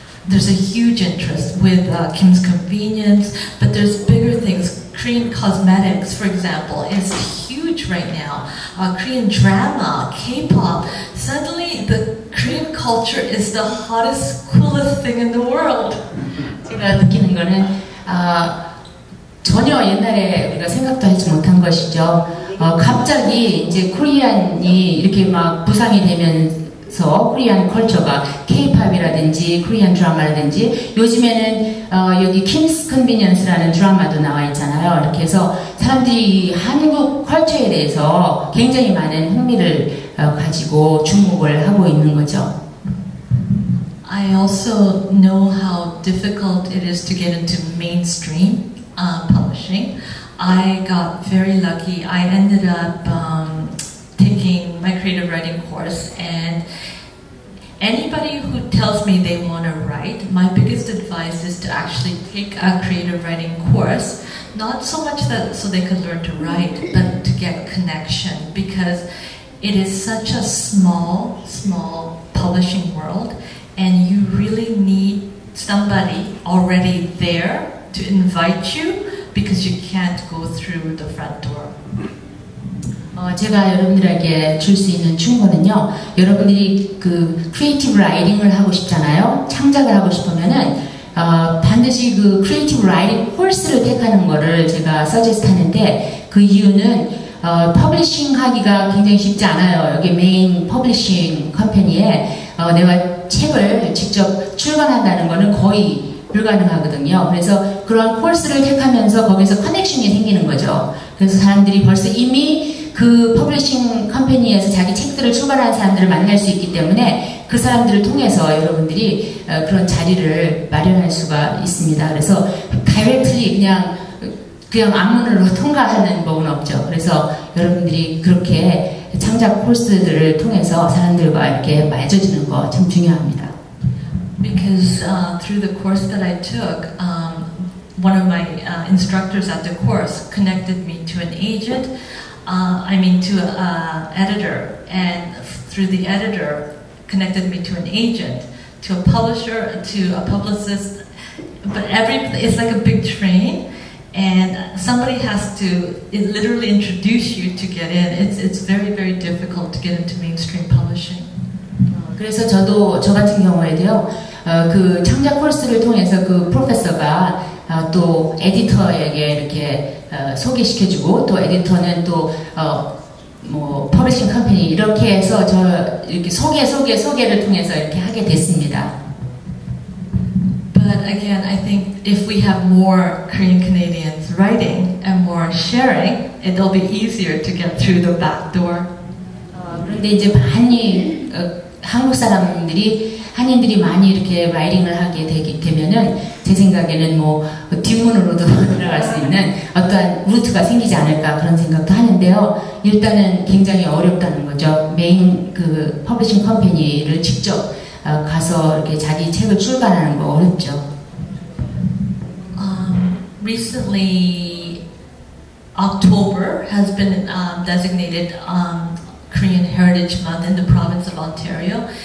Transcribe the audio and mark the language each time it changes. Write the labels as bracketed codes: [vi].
[en] There's a huge interest with Kim's Convenience, but there's bigger things. Korean cosmetics, for example, is huge right now. Korean drama, K-pop. Suddenly, the Korean culture is the hottest, coolest thing in the world. [ko] 제가 느끼는 거는 전혀 옛날에 우리가 생각도 하지 못한 것이죠. 갑자기 이제 코리안이 이렇게 막 부상이 되면서 코리안 컬처가 K-pop이라든지 코리안 드라마라든지 요즘에는 여기 Kim's Convenience라는 드라마도 나와 있잖아요. 이렇게 해서 사람들이 한국 컬처에 대해서 굉장히 많은 흥미를 가지고 주목을 하고 있는 거죠. [en] I also know how difficult it is to get into mainstream publishing. I got very lucky. I ended up taking my creative writing course, and anybody who tells me they want to write, my biggest advice is to actually take a creative writing course, not so much that so they could learn to write, but to get connection, because it is such a small publishing world, and you really need somebody already there to invite you, because you can't go through the front door. [ko] 제가 여러분들에게 줄 수 있는 충고는요, 여러분들이 그 크리에이티브 라이팅을 하고 싶잖아요. 창작을 하고 싶으면은 반드시 그 크리에이티브 라이팅 코스를 택하는 거를 제가 서제스트 하는데, 그 이유는 퍼블리싱 하기가 굉장히 쉽지 않아요. 여기 메인 퍼블리싱 컴퍼니에 내가 책을 직접 출간한다는 거는 거의 불가능하거든요. 그래서 그런 코스를 택하면서 거기서 커넥션이 생기는 거죠. 그래서 사람들이 벌써 이미 그 퍼블리싱 컴퍼니에서 자기 책들을 출간한 사람들을 만날 수 있기 때문에 그 사람들을 통해서 여러분들이 그런 자리를 마련할 수가 있습니다. 그래서 다이렉트리 그냥 앞문으로 통과하는 법은 없죠. 그래서 여러분들이 그렇게 창작 코스들을 통해서 사람들과 이렇게 맺어지는 거 참 중요합니다. [en] Because through the course that I took, one of my instructors at the course connected me to an agent, to an editor, and through the editor connected me to an agent, to a publisher, to a publicist, but it's like a big train, and somebody has to literally introduce you to get in. It's very, very difficult to get into mainstream publishing. [ko] 그래서 저도 저 같은 경우에도요, 그 창작 코스를 통해서 그 프로페서가 또 에디터에게 이렇게 소개시켜주고 또 에디터는 또 뭐 퍼블리싱 컴퍼니 이렇게 해서 저 이렇게 소개를 통해서 이렇게 하게 됐습니다. But again, I think if we have more Korean Canadians writing and more sharing, it'll be easier to get through the back door. 그런데 이제 많이 한국 사람들이 한인들이 많이 이렇게 라이딩을 하게 되면은 제 생각에는 뭐 뒷문으로도 들어갈 수 있는 어떠한 루트가 생기지 않을까 그런 생각도 하는데요. 일단은 굉장히 어렵다는 거죠. 메인 그 퍼블리싱 컴퍼니를 직접 가서 이렇게 자기 책을 출간하는 거 어렵죠. [en] Recently, October has been designated Korean Heritage Month in the province of Ontario.